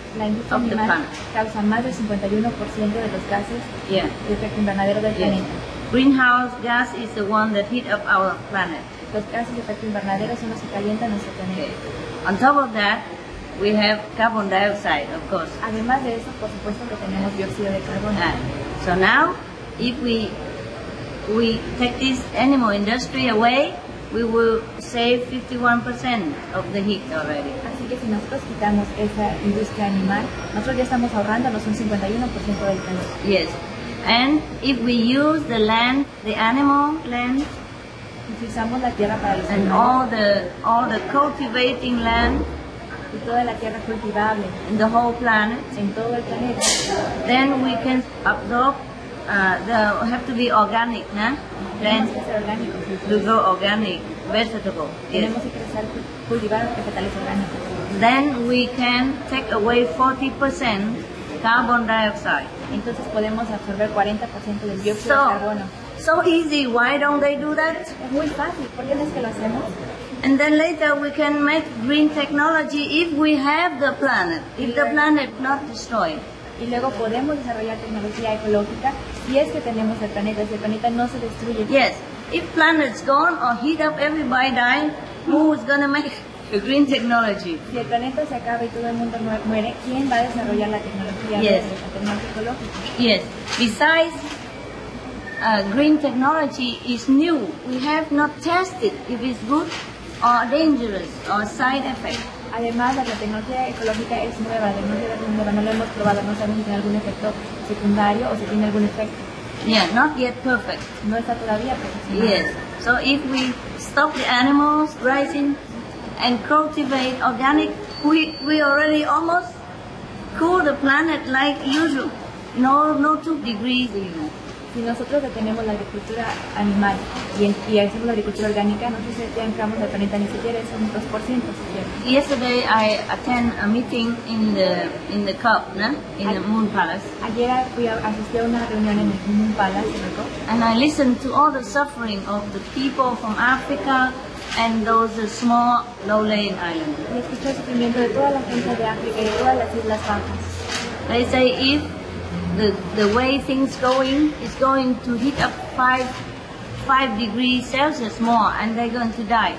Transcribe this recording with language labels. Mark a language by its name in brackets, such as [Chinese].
[Spanish] La industria animal causa más del 51% de los gases de efecto invernadero del planeta. [English] Greenhouse gas is the one that heat up our planet. [Spanish] Los gases de efecto invernadero son los que calientan nuestro planeta. [English] On top of that, we have carbon dioxide, of course. [Spanish] Además de eso, por supuesto que tenemos dióxido de carbono. [English] So now, if we take this animal industry away, we will save 51% of the heat already. [Spanish] Así que si nosotros quitamos esa industria animal, nosotros ya estamos ahorrándonos un 51% del calor. [English] Yes. And if we use the land, the animal land, [Spanish] utilizamos la tierra para los [English] animales, all the cultivating land, [Spanish] y toda la tierra cultivable, [English] in the whole planet, [Spanish] en todo el planeta, [English] then we can absorb. They have to be organic, na? [Spanish] Plants que ser orgánicos, [English] sí. To go organic, vegetable. [Spanish] Tenemos que crecer, cultivar vegetales orgánicos. [English] Then we can take away 40% carbon dioxide. [Spanish] Entonces podemos absorber 40% del dióxido [English] so, [Spanish] de carbono. [English] So easy, why don't they do that? [Spanish] Es muy fácil, ¿por qué no es que lo hacemos? [English] And then later we can make green technology if we have the planet, if the planet not destroyed. [Spanish] Y luego podemos desarrollar tecnología ecológica si es que tenemos el planeta, si el planeta no se destruye. [English] Yes, if planet's gone or heat up everybody dying, who is going to make the green technology? [Spanish] Si el planeta se acaba y todo el mundo muere, ¿quién va a desarrollar la tecnología, la tecnología ecológica? [English] Yes, besides green technology is new. We have not tested if it's good or dangerous or side effect. [Spanish] Además, la tecnología ecológica es nueva, la tecnología es nueva, no la hemos probado, no sabemos si tiene algún efecto secundario o si tiene algún efecto. [English] Yeah, not yet perfect. [Spanish] No está todavía perfecto. [English] Yes. So if we stop the animals raising and cultivate organic, we already almost cool the planet like usual. No 2 degrees even. [Spanish] si nosotros detenemos la agricultura animal y hacemos la agricultura orgánica, nosotros entramos al planeta ni siquiera es un 2%. [English] Yesterday I attend a meeting in the COP, no? In the Moon Palace. [Spanish] Ayer fui a asistir a una reunión en el Moon Palace, en el COP. [English] And I listened to all the suffering of the people from Africa and those small low-lying islands. [Spanish] Y escuché el sufrimiento de toda la gente de África y de todas las islas bajas. [English] They say if the way things going is going to heat up five degrees Celsius more and they're going to die.